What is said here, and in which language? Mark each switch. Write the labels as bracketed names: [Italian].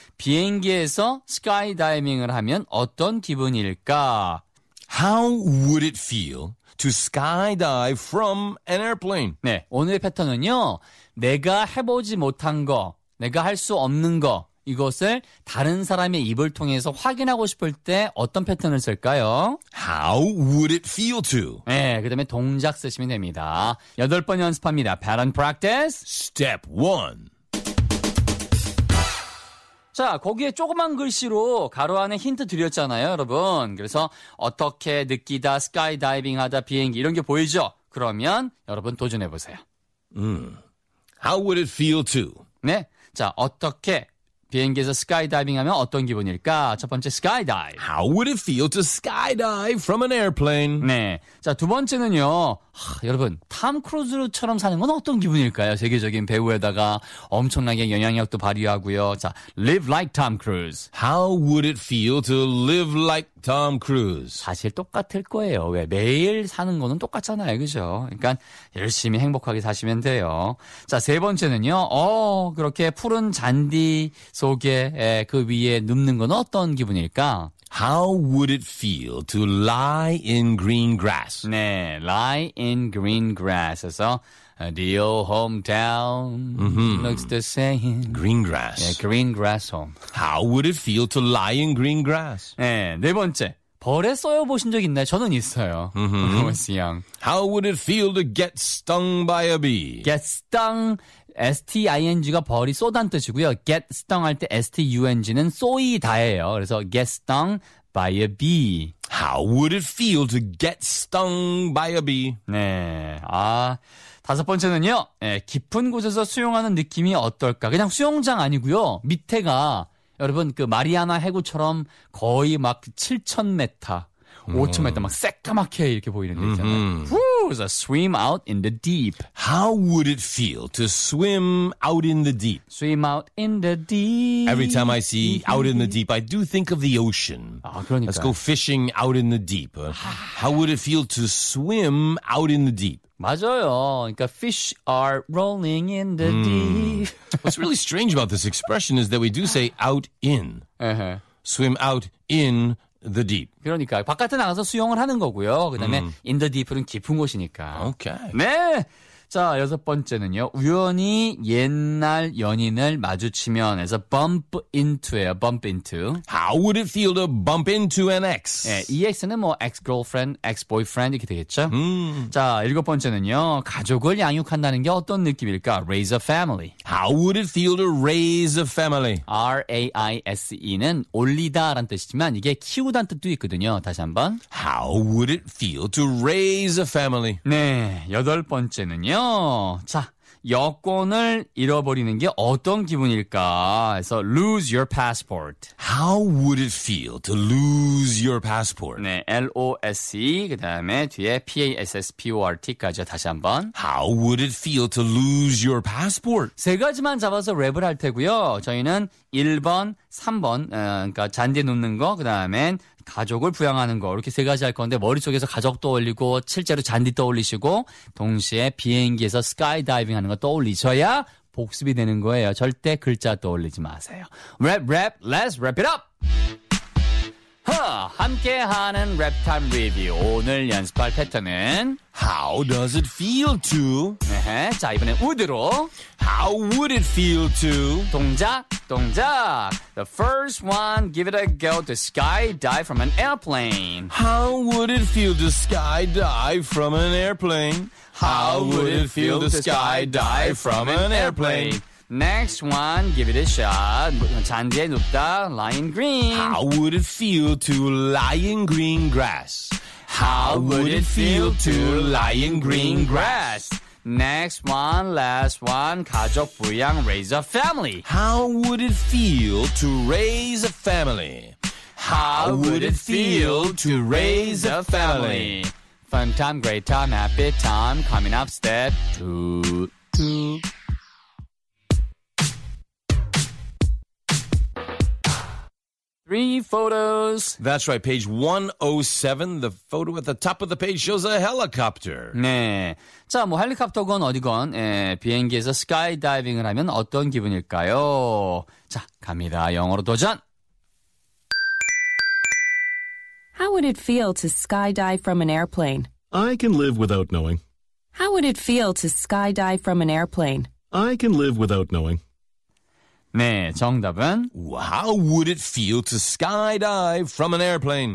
[Korean] 비행기에서 스카이다이빙을 하면 어떤 기분일까? [English] How would it feel to skydive from an airplane? [Korean] 네, 오늘 패턴은요. 내가 해보지 못한 거, 내가 할 수 없는 거, 이것을 다른 사람의 입을 통해서 확인하고 싶을 때 어떤 패턴을 쓸까요? [English] How would it feel to? [Korean] 네, 그 다음에 동작 쓰시면 됩니다. 여덟 번 연습합니다. [English] Pattern practice. Step 1. [Korean] 자, 거기에 조그만 글씨로 가로 안에 힌트 드렸잖아요, 여러분. 그래서 어떻게 느끼다, 스카이다이빙하다, 비행기 이런 게 보이죠? 그러면 여러분 도전해보세요. [English] How would it feel to? [Korean] 네, 자, 어떻게 비행기에서 스카이다이빙하면 어떤 기분일까? 첫 번째, 스카이다이브. [English] How would it feel to skydive from an airplane? [Korean] 네, 자, 두 번째는요. 하, 여러분, 탐 크루즈처럼 사는 건 어떤 기분일까요? 세계적인 배우에다가 엄청나게 영향력도 발휘하고요. [English] 자, live like Tom Cruise. How would it feel to live like Tom Cruise? [Korean] 사실 똑같을 거예요. 왜? 매일 사는 거는 똑같잖아요. 그죠? 그러니까 열심히 행복하게 사시면 돼요. 자, 세 번째는요. 그렇게 푸른 잔디 속에 그 위에 눕는 건 어떤 기분일까? [English] How would it feel to lie in green grass? 네, lie in green grass. 그래서 the old hometown looks the same. Green grass. 네, green grass home. How would it feel to lie in green grass? [Korean] 네, 네 번째. 벌에 쏘여 보신 적 있나요? 저는 있어요. Mm-hmm. [English] I was young. How would it feel to get stung by a bee? Get stung. [Korean] S-T-I-N-G가 벌이 쏘단 뜻이고요. [English] Get stung [Korean] 할 때 S-T-U-N-G는 쏘이다예요. [English] 그래서 get stung by a bee. How would it feel to get stung by a bee? [Korean] 네. 아, 다섯 번째는요. 네, 깊은 곳에서 수영하는 느낌이 어떨까? 그냥 수영장 아니고요. 밑에가 여러분 그 마리아나 해구처럼 거의 막 7,000m, 5,000m 막 새까맣게 이렇게 보이는 데 있잖아요. [English] So swim out in the deep. How would it feel to swim out in the deep? Swim out in the deep. Every time I see out in the deep, I do think of the ocean. [Korean] 아, 그러니까. [English] Let's go fishing out in the deep. How would it feel to swim out in the deep? [Korean] 맞아요. [English] 그러니까 fish are rolling in the deep. What's really strange about this expression is that we do say out in. Swim out in the deep. [Korean] 그러니까 바깥에 나가서 수영을 하는 거고요. 그다음에 [English] in the deep [Korean] 은 깊은 곳이니까. [English] Okay. [Korean] 네. 자, 여섯 번째는요. 우연히 옛날 연인을 마주치면 [English] as a bump into [Korean] 예요. [English] Bump into. How would it feel to bump into an ex? [Korean] 네, 이 ex는 뭐 ex-girlfriend, ex-boyfriend 이렇게 되겠죠. 자, 일곱 번째는요. 가족을 양육한다는 게 어떤 느낌일까? [English] Raise a family. How would it feel to raise a family? [Korean] R-A-I-S-E는 올리다라는 뜻이지만 이게 키우다는 뜻도 있거든요. 다시 한번. [English] How would it feel to raise a family? [Korean] 네, 여덟 번째는 요. 자, 여권을 잃어버리는 게 어떤 기분일까? [English] 그래서 lose your passport. How would it feel to lose your passport? [Korean] 네, L-O-S-E, 그 다음에 뒤에 P-A-S-S-P-O-R-T까지 다시 한번. [English] How would it feel to lose your passport? [Korean] 세 가지만 잡아서 랩을 할 테고요. 저희는 1번, 3번, 그러니까 잔디 놓는 거, 그 다음에 가족을 부양하는 거 이렇게 세 가지 할 건데 머릿속에서 가족 떠올리고 실제로 잔디 떠올리시고 동시에 비행기에서 스카이다이빙 하는 거 떠올리셔야 복습이 되는 거예요. 절대 글자 떠올리지 마세요. 랩 랩 [English] Let's wrap it up! [Korean] 함께하는 랩타임 리뷰 오늘 연습할 패턴은 [English] How does it feel to [Korean] 네, 자 이번엔 would로 [English] How would it feel to [Korean] 동작 동작 [English] The first one give it a go to skydive from an airplane How would it feel to skydive from an airplane How would it feel to skydive from an airplane Next one, give it a shot. [Korean] 잔디에 눕다, [English] lie in green. How would it feel to lie in green grass? How would it feel to lie in green grass? Next one, last one, [Korean] 가족 부양, [English] raise a family. How would it feel to raise a family? How would it feel to raise a family? Fun time, great time, happy time, coming up step two. Three. three photos. That's right. Page 107, the photo at the top of the page shows a helicopter. [Korean] 네. 자, 뭐 헬리콥터건 어디건 예, 비행기에서 스카이다이빙을 하면 어떤 기분일까요? 자, 갑니다. 영어로 도전! [English] How would it feel to skydive from an airplane? I can live without knowing. How would it feel to skydive from an airplane? I can live without knowing. [Korean] 네, 정답은 [English] How would it feel to skydive from an airplane?